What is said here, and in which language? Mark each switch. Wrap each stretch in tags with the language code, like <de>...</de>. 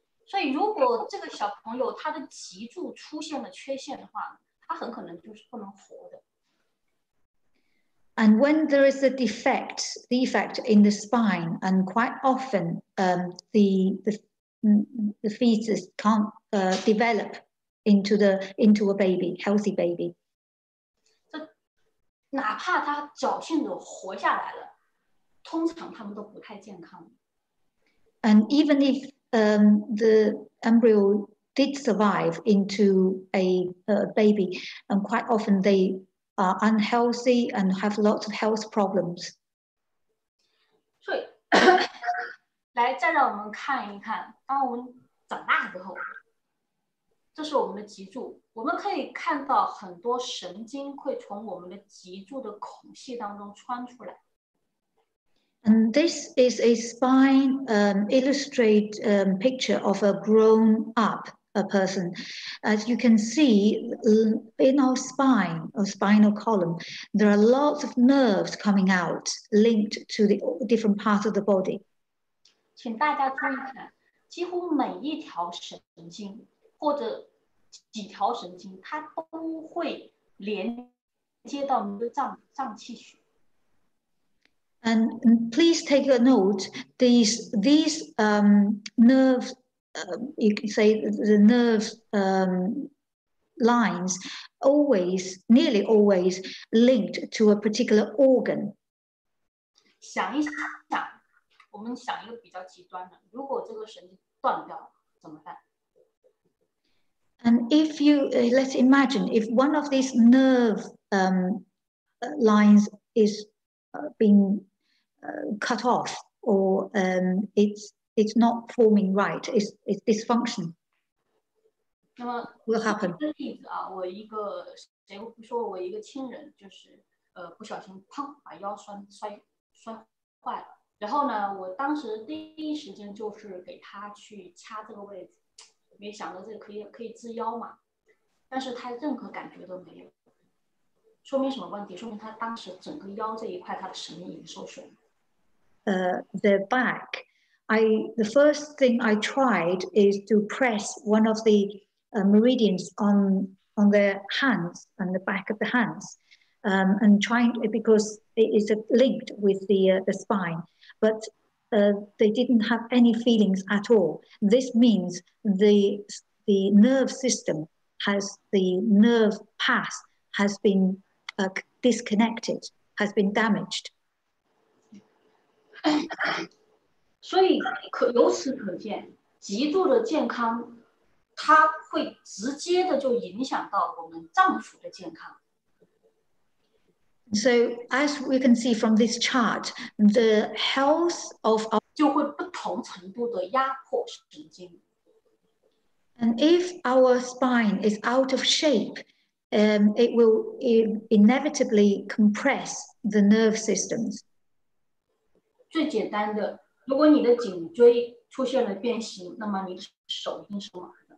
<zh>所以如果这个小朋友他的脊柱出现了缺陷的话，他很可能就是不能活的。</zh> <en>And when there is a defect in the spine, and quite often the fetus can't develop into a baby, healthy baby.</en> <zh>这哪怕他侥幸的活下来了，通常他们都不太健康。</zh> <en>And even if the embryo did survive into a baby, and quite often they are unhealthy and have lots of health problems.</en> <zh>对。来，再让我们看一看，当我们长大之后，这是我们的脊柱。我们可以看到很多神经会从我们的脊柱的孔隙当中穿出来。</zh> <en>And this is a spine illustrate picture of a grown up a person. As you can see in our spine, our spinal column, there are lots of nerves coming out linked to the different parts of the body.</en> <zh>请大家注意看，几乎每一条神经或者几条神经，它都会连接到你的脏气血。</zh> <en>And please take a note. These nerves, you can say the nerves lines always, nearly always linked to a particular organ.</en> <zh>想一想。我们想一个比较极端的，如果这个神经断掉，</zh> <en>And if you, let's imagine, if one of these nerve lines is being cut off, or it's not forming right, it's dysfunction.</en> <zh>那么，我举个例子啊，我一个谁不说，我一个亲人就是，不小心砰把腰摔坏了。然后呢，我当时第一时间就是给他去掐这个位置，没想到这个可以治腰嘛。但是他任何感觉都没有，说明什么问题？说明他当时整个腰这一块他的神经已经受损了。</zh> <en>The back. The first thing I tried is to press one of the meridians on the hands and the back of the hands, and trying because it is linked with the spine, but they didn't have any feelings at all. This means the nerve system has the nerve path has been disconnected, has been damaged.</en> <zh>所以由此可见，极度的健康。它会直接的就影响到我们脏腑的健康。</zh> <en>So as we can see from this chart, the health of our</en> <zh>就会不同程度的压迫神经。</zh> <en>And if our spine is out of shape, it will inevitably compress the nerve systems.</en> <zh>最简单的，如果你的颈椎出现了变形，那么你手一定是麻。</zh>